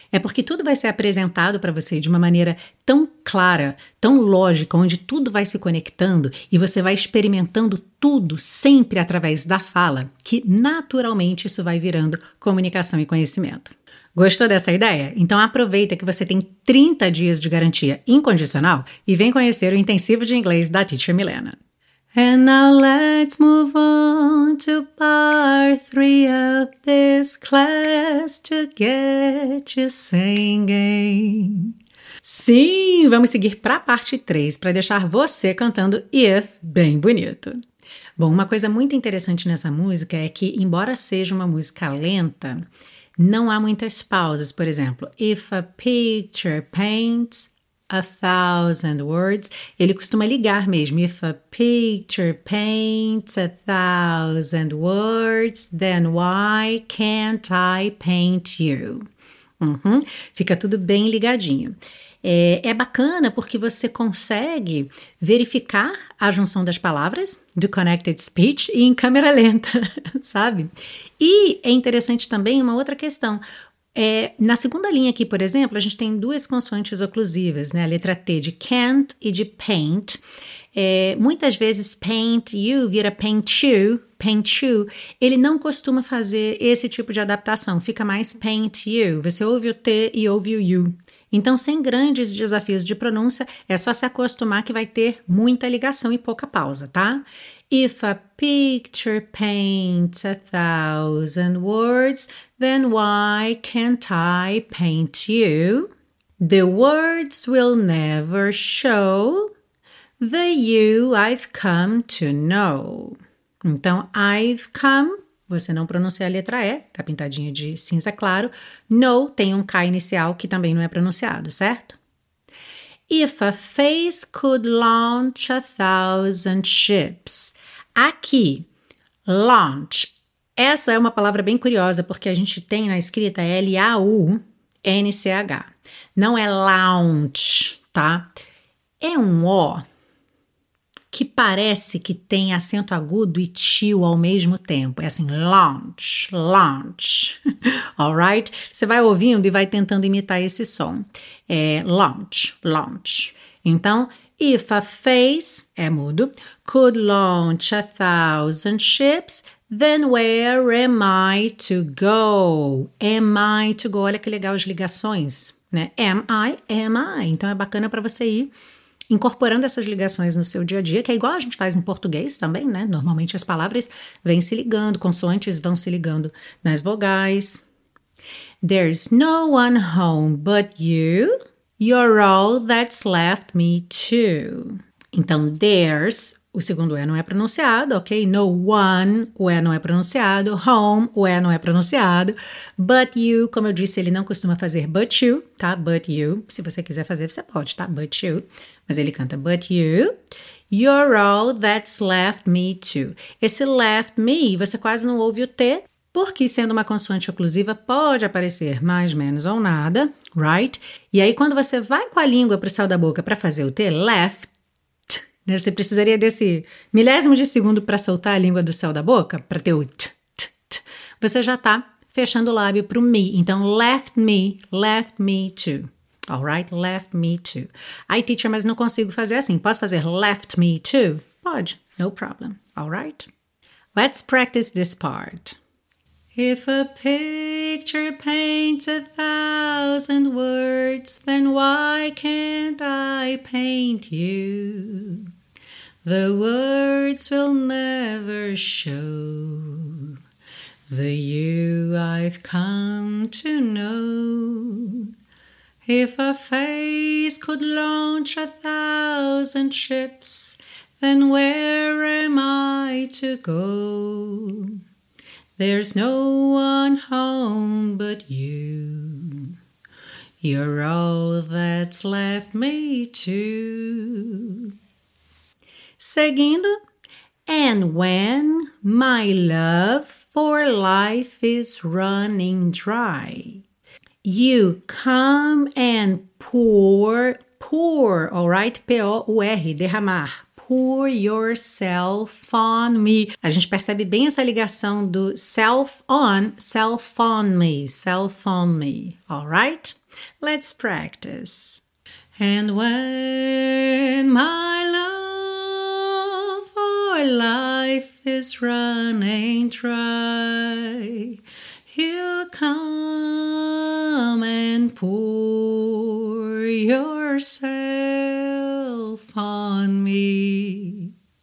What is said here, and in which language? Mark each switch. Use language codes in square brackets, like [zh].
[pt] É porque tudo vai ser apresentado para você de uma maneira tão clara, tão lógica, onde tudo vai se conectando e você vai experimentando tudo sempre através da fala, que naturalmente isso vai virando comunicação e conhecimento. Gostou dessa ideia? Então aproveita que você tem 30 dias de garantia incondicional e vem conhecer o Intensivo de Inglês da Teacher Milena. [en] And now let's move on to part 3 of this class to get you singing. [pt] Sim, vamos seguir para a parte 3 para deixar você cantando If bem bonito. Bom, uma coisa muito interessante nessa música é que, embora seja uma música lenta, não há muitas pausas. Por exemplo, [en] If a picture paints A thousand words. [pt] Ele costuma ligar mesmo. [en] If a picture paints a thousand words, then why can't I paint you? Uhum. [pt] Fica tudo bem ligadinho. É bacana porque você consegue verificar a junção das palavras do Connected Speech em câmera lenta, sabe? E é interessante também uma outra questão. Na segunda linha aqui, por exemplo, a gente tem duas consoantes oclusivas, né? A letra T de can't e de paint. Muitas vezes [en] paint you [pt] vira paint you, ele não costuma fazer esse tipo de adaptação, fica mais paint you, você ouve o T e ouve o you. Então, sem grandes desafios de pronúncia, é só se acostumar que vai ter muita ligação e pouca pausa, tá? [en] If a picture paints a thousand words, then why can't I paint you? The words will never show the you I've come to know. [pt] Então, [en] I've come, [pt] você não pronuncia a letra E, tá pintadinha de cinza claro. No, tem um K inicial que também não é pronunciado, certo? [en] If a face could launch a thousand ships. [pt] Aqui, launch. Essa é uma palavra bem curiosa, porque a gente tem na escrita L-A-U-N-C-H. Não é launch, tá? É um O que parece que tem acento agudo e tio ao mesmo tempo. É assim, launch, launch. [en] Alright? [pt] Você vai ouvindo e vai tentando imitar esse som. [en] É launch, launch. Então, if a face, [pt] é mudo, [en] could launch a thousand ships, then where am I to go? Am I to go? [pt] Olha que legal as ligações, né? [en] Am I? [pt] Então é bacana para você ir incorporando essas ligações no seu dia a dia, que é igual a gente faz em português também, né? Normalmente as palavras vêm se ligando, consoantes vão se ligando nas vogais. [en] There's no one home but you. You're all that's left me too. [pt] Então, there's, o segundo E não é pronunciado, ok? No one, o E não é pronunciado. Home, o E não é pronunciado. But you, como eu disse, ele não costuma fazer [en] but you, [pt] tá? But you, se você quiser fazer, você pode, tá? But you. Mas ele canta but you. [en] You're all that's left me too. [pt] Esse left me, você quase não ouve o T, porque sendo uma consoante oclusiva pode aparecer mais, menos ou nada, [en] right? [pt] E aí quando você vai com a língua para o céu da boca para fazer o T, left, né? Você precisaria desse milésimo de segundo para soltar a língua do céu da boca, para ter o t, t, t. Você já está fechando o lábio para o me. Então, [en] left me too. Alright, left me too. [pt] Aí, teacher, mas não consigo fazer assim. Posso fazer left me too? Pode, [en] no problem. [pt] Alright? [en] Let's practice this part. If a picture paints a thousand words, then why can't I paint you? The words will never show the you I've come to know. If a face could launch a thousand ships, then where am I to go? There's no one home but you. You're all that's left me too. [pt] Seguindo. [en] And when my love for life is running dry, you come and pour, all right? P-O-U-R, [pt] derramar. [en] Pour yourself on me. [pt] A gente percebe bem essa ligação do self on me. [en] All right? Let's practice. And when my love for life is running dry, you come and pour yourself on me.